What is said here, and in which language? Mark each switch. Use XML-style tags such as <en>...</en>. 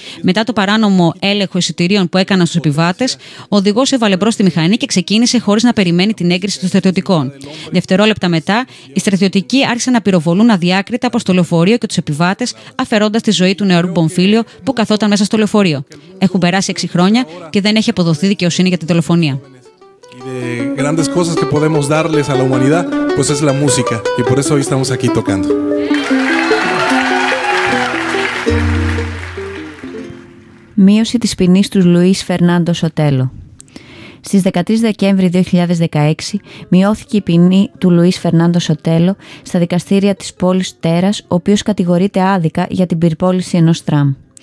<el>Μετά το παράνομο έλεγχο εισιτηρίων που έκαναν στους επιβάτες, ο οδηγός έβαλε μπρος τη μηχανή και ξεκίνησε χωρίς να περιμένει την έγκριση των στρατιωτικών. Δευτερόλεπτα μετά, οι στρατιωτικοί άρχισαν να πυροβολούν αδιάκριτα από το λεωφορείο και τους επιβάτες, αφαιρώντας τη ζωή του νεαρού Μπομφίλιο που καθόταν μέσα στο λεωφορείο. Έχουν περάσει 6 χρόνια και δεν έχει αποδοθεί δικαιοσύνη για τη δολοφονία.</el> <es>De grandes cosas que podemos darles a la humanidad, pues es la música, y por eso hoy estamos aquí tocando.</es> <el>Μείωση της ποινής του Λουίς Φερνάντο Σοτέλο. Στις 13 Δεκέμβρη 2016 μειώθηκε η ποινή του Λουίς Φερνάντο Σοτέλο στα δικαστήρια της πόλης Τέρας, ο οποίος κατηγορείται άδικα για την πυρπόληση ενός τραμ.</el>